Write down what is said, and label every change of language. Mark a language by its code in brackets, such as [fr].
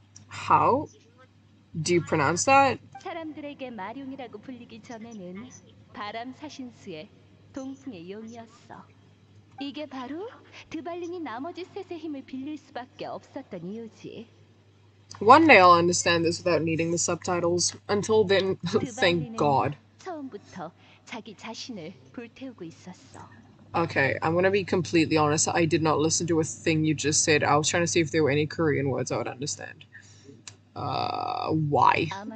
[en] How? Do you pronounce that? [ko] 사람들에게 마룡이라고 불리기 전에는 바람 사신스의 동풍의 용이었어. 이게 바로 드발린이 나머지 셋의 힘을 빌릴 수밖에 없었던 이유지. [en] One day I'll understand this without needing the subtitles. Until then, thank God. [ko] 처음부터 자기 자신을 불태우고 있었어. [en] Okay, I'm gonna be completely honest. I did not listen to a thing you just said. I was trying to see if there were any Korean words I would understand. Why?